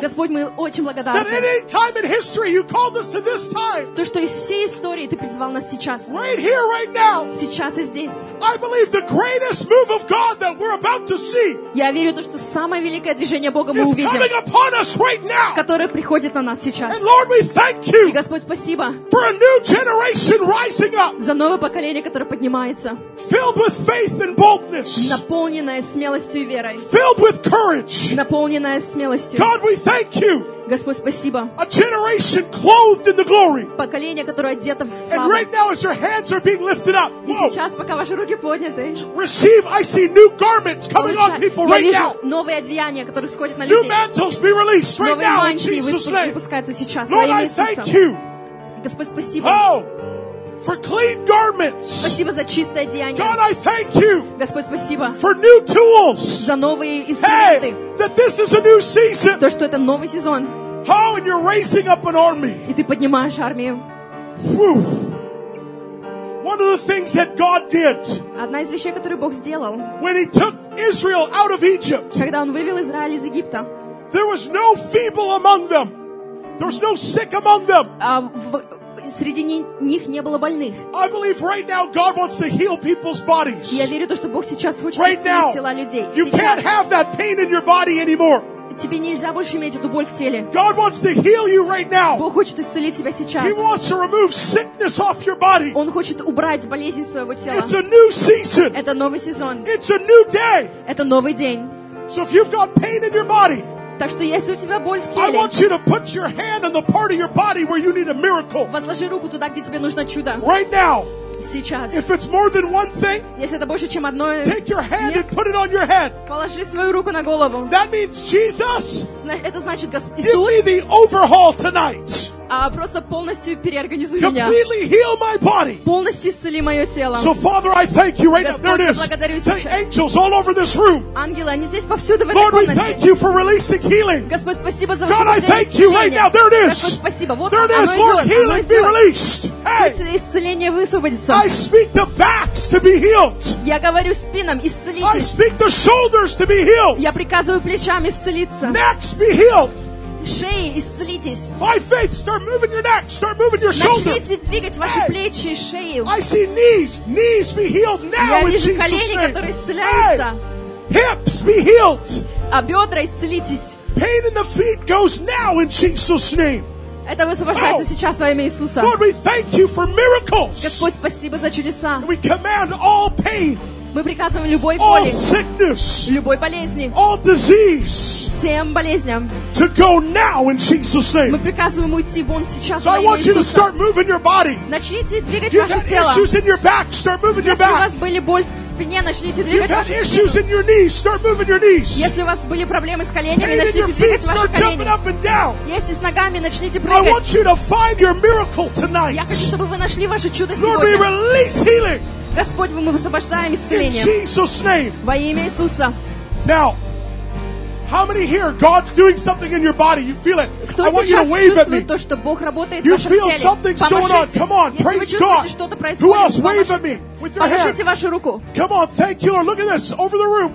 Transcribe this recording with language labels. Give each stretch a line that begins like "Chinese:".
Russian: Господь, мы очень благодарны.
English: History, time,
Russian: то, что из всей истории ты призвал нас сейчас.
English: Right here, right now,
Russian: сейчас и здесь.
English: I believe the greatest move of God that we're about to see.
Russian: Я верю то, что самое великое движение Бога мы увидим.
English: Coming upon us right now.
Russian: Которое приходит на нас сейчас.
English: And Lord, we thank you.
Russian: И Господь, спасибо.
English: For a new generation rising up.
Russian: За новое поколение, которое поднимается.
English: Filled with faith.
Russian: Наполненная смелостью и верой.
English: Filled with courage.
Russian: Наполненная смелостью.
English: God, we thank you.
Russian: Господь, спасибо.
English: A generation clothed in the glory.
Russian: Поколение, которое одето в славу.
English: And right now, as your hands are being lifted up.
Russian: И сейчас, пока ваши руки подняты.
English: Receive, I see new garments coming on people right now.
Russian: Я вижу новые одеяния, которые сходят на людей.
English: New mantles be released right now.
Russian: Новые мантии выпускаются сейчас.
English: Lord, I thank you.
Russian: Господь, спасибо.
English: Oh. For clean garments.
Russian: Спасибо за чистое одеяние.
English: God, I thank you.
Russian: Господь, спасибо.
English: For new tools.
Russian: За новые инструменты.
English: Hey, that this is a new season.
Russian: То, что это новый сезон.
English: How and you're raising up an army.
Russian: И ты поднимаешь армию.
English: Whew. One of the things that God did.
Russian: Одна из вещей, которую Бог сделал.
English: When He took Israel out of Egypt.
Russian: Когда Он вывел Израиль из Египта.
English: There was no feeble among them. There was no sick among them.
Russian: Среди них не было больных.
English: I believe right now God wants to heal people's bodies.
Russian: Я верю то, что Бог сейчас хочет исцелить тела людей.
English: You can't have that pain in your body anymore.
Russian: Тебе нельзя больше иметь эту боль в теле.
English: God wants to heal you right now.
Russian: Бог хочет исцелить тебя сейчас.
English: He wants to remove sickness off your body.
Russian: Он хочет убрать болезнь своего тела.
English: It's a new season.
Russian: Это новый сезон.
English: It's a new day.
Russian: Это новый день.
English: So if you've got pain in your body.
Russian: Так что если у тебя боль в теле, возложи руку туда, где тебе нужно чудо.
English: Right now.
Russian: Сейчас.
English: If it's more than one thing,
Russian: если это больше, чем одно,
English: take your hand and put it on your head.
Russian: Положи свою руку на голову.
English: That means Jesus.
Russian: Это значит Иисус.
English: Give me the overhaul tonight.
Russian: просто полностью переорганизуй
English: Completely
Russian: меня.
English: Heal my body.
Russian: Полностью исцели мое тело.
English: So, Father, I thank you right
Russian: Господь,
English: now.
Russian: Благодарю
English: The
Russian: сейчас.
English: Angels all over this room.
Russian: Ангелы, они здесь повсюду в
English: Lord,
Russian: этой комнате.
English: Lord, we thank you for releasing healing.
Russian: Господь, спасибо за
English: God, I thank you right now. There it is.
Russian: Господь, спасибо. Вот
English: There it is, Lord.
Russian: Идет.
English: Healing be released. Hey.
Russian: Исцеление высвободится.
English: I speak to backs to be healed.
Russian: Я говорю спинам исцелитесь.
English: I speak to shoulders to be healed.
Russian: Я приказываю плечам исцелиться.
English: Necks be healed.
Russian: Шеи исцелитесь.
English: By faith, start moving your neck, start moving your shoulder.
Russian: Начните двигать ваши плечи и шею.
English: I see knees, knees be healed now
Russian: Я вижу колени, которые исцеляются.
English: Hips be healed.
Russian: А бедра исцелитесь.
English: Pain in the feet goes now in Jesus' name.
Russian: Это высвобождается сейчас во имя Иисуса.
English: Lord, we thank you for miracles.
Russian: Господь, спасибо за чудеса.
English: We command all pain.
Russian: Мы приказываем любой боли,
English: all sickness,
Russian: любой болезни,
English: all disease,
Russian: всем болезням,
English: to go now in Jesus' name.
Russian: Мы приказываем уйти вон сейчас so во имя Иисуса.
English: I want you to start moving your body.
Russian: Начните двигать ваше тело.
English: If you've got issues in your back, start moving your back.
Russian: Если у вас были боль в спине, начните двигать ваши спины.
English: If you've got issues in your knees, start moving your knees.
Russian: Если у вас были проблемы с коленями,
English: Pain
Russian: начните
English: in your feet,
Russian: двигать ваши
English: start
Russian: колени.
English: Jumping up and down.
Russian: Если с ногами, начните прыгать.
English: I want you to find your miracle tonight.
Russian: Я хочу, чтобы вы нашли ваше чудо
English: Lord,
Russian: сегодня.
English: Lord, we release healing.
Russian: Господь, мы высвобождаем исцеление во имя Иисуса.
English: Now, how many here? God's doing something in your body. You feel it.
Russian: Кто сейчас чувствует то, что Бог работает в вашем теле? Помашите.
English: Come on, praise God. Who else? Wave at me with your hands.
Russian: Помашите вашу руку.
English: Come on, thank you, Lord. Look at this over the room.